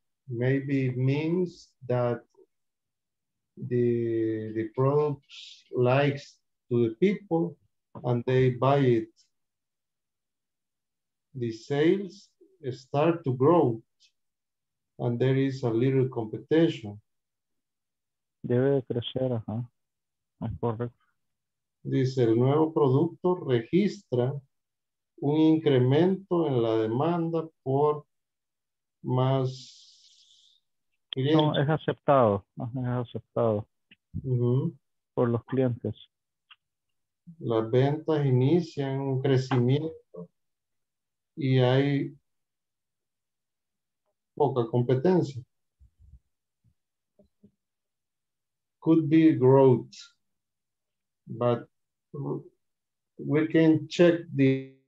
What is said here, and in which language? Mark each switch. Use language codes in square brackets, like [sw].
[en] Maybe it means that the products likes to the people and they buy it. The sales start to grow and there is a little competition. [es] Debe de crecer, ajá. Es correcto. Dice, el nuevo producto registra un incremento en la demanda por más... No, es aceptado, por los clientes. Las ventas inician un crecimiento y hay poca competencia. Q. [en] could be growth, but we can check the